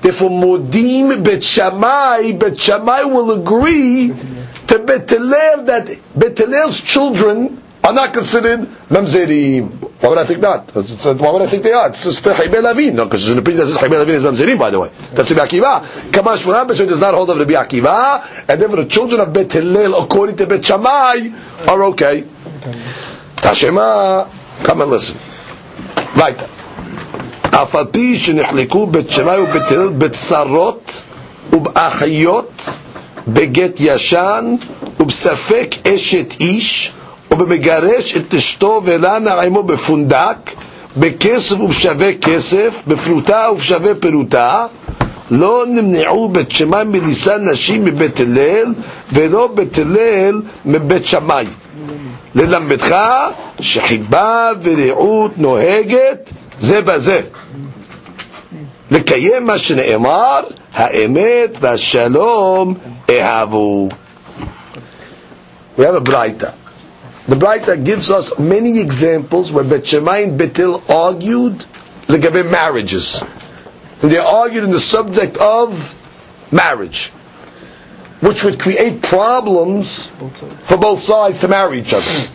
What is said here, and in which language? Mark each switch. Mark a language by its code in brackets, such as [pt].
[en] Therefore, Modim Bet Shammai will agree to Bet Hillel that Bet Hillel's children are not considered Mamzerim. Why would I think not? Why would I think they are? It's just Chaybe Lavin. No, because it's an opinion that says Chaybe Lavin is Mamzerim, by the way. That's Rabbi Akiva. Kamash Moran B'Shem does not hold of Rabbi Akiva, and therefore the children of Bet Hillel, according to Bet Shammai, are okay. Tashema, come and listen. Right. [he] Afalpi shenechleku Bet Shammai u'Bet Hillel b'tzarot u'b'achayot b'get yashan u'b'safek eshet ish ובמגרש את אשתו ולה נעימו בפונדק, בכסף ובשווה כסף, בפרוטה ובשווה פרוטה, לא נמנעו בית שמאי מליסה נשים מבית הלל, ולא בית הלל מבית שמאי. ללמדך שחיבה ורעות נוהגת זה בזה. לקיים מה שנאמר, האמת והשלום אהבו. [en] We have a brighter. The Braita gives us many examples where Bet Shammai and Bet Hillel argued like marriages. And they argued in the subject of marriage, which would create problems for both sides to marry each other.